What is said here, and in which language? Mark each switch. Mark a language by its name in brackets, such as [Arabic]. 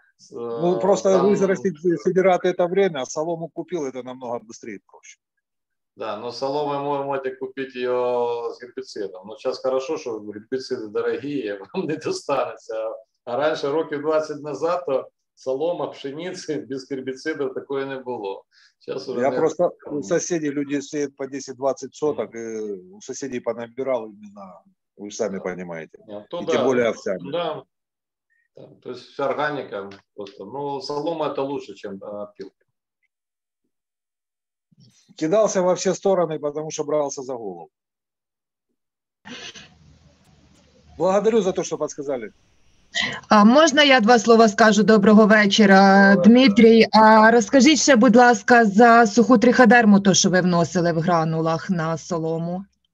[Russian] Вырастет сидират это время, а солому купил, это намного быстрее и проще. Да, но соломы мы можем купить ее с гербицидом. Но сейчас хорошо, что гербициды дорогие, вам не достанется. А раньше, [Ukrainian] років 20 назад, [Russian] то солома, пшеницы без гербицида такое не было. Сейчас уже я нет. Просто у соседей люди сеют по 10-20 соток, mm-hmm. У соседей понабирал именно, вы сами понимаете. Тем более овсяные. Да. То есть вся органика просто. Ну, солома это лучше, чем опилка. Кидался во все стороны, потому что брался за голову. Благодарю за то, что подсказали. [Ukrainian] А можна я два слова скажу? Доброго вечора, Дмитрій. А розкажіть ще, будь ласка, за суху триходерму, то, що ви вносили в гранулах на солому.